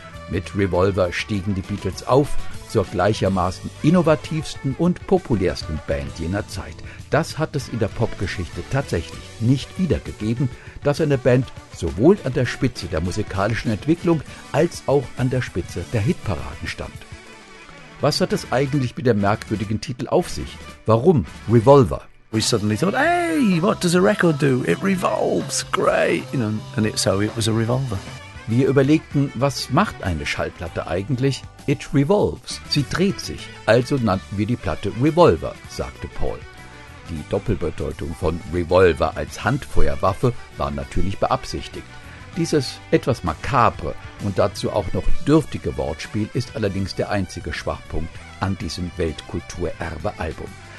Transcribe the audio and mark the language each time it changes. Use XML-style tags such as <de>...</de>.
<de>Mit Revolver stiegen die Beatles auf zur gleichermaßen innovativsten und populärsten Band jener Zeit. Das hat es in der Popgeschichte tatsächlich nicht wiedergegeben, dass eine Band sowohl an der Spitze der musikalischen Entwicklung als auch an der Spitze der Hitparaden stand. Was hat es eigentlich mit dem merkwürdigen Titel auf sich? Warum Revolver?</de> <en>We suddenly thought, hey, what does a record do? It revolves, great. You know, and it, so it was a revolver.</en> <de>Wir überlegten, was macht eine Schallplatte eigentlich?</de> <en>It revolves,</en> <de>sie dreht sich. Also nannten wir die Platte Revolver, sagte Paul. Die Doppelbedeutung von Revolver als Handfeuerwaffe war natürlich beabsichtigt. Dieses etwas makabre und dazu auch noch dürftige Wortspiel ist allerdings der einzige Schwachpunkt an diesem Weltkulturerbe-Album.</de>